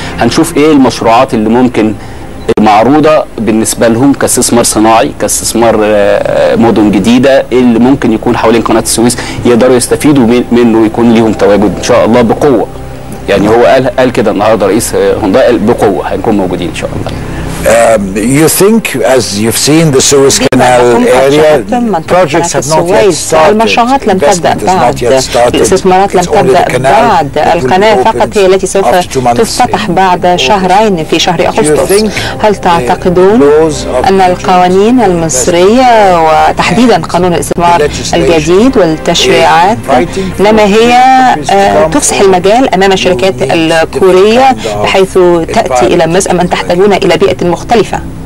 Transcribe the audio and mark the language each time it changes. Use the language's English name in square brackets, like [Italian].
[Arabic] هنشوف ايه المشروعات اللي ممكن معروضة بالنسبة لهم كاستثمار صناعي، كاستثمار مدن جديدة، اللي ممكن يكون حوالين قناة السويس يقدروا يستفيدوا منه ويكون ليهم تواجد إن شاء الله بقوة. يعني هو قال كده النهاردة رئيس هونداي، قال بقوة هنكون موجودين إن شاء الله. [English] You think as you've seen the Suez Canal area, projects have not yet started. [Arabic] المشروعات لم تبدأ بعد. الاستثمارات لم تبدأ بعد. القناة فقط هي التي سوف تفتح بعد شهرين في شهر أغسطس. هل تعتقدون أن القوانين المصرية وتحديدا قانون الاستثمار الجديد والتشريعات لما هي تفسح المجال أمام الشركات الكورية بحيث تأتي إلى مصر، أم أن تحتاجون إلى بيئة مختلفة؟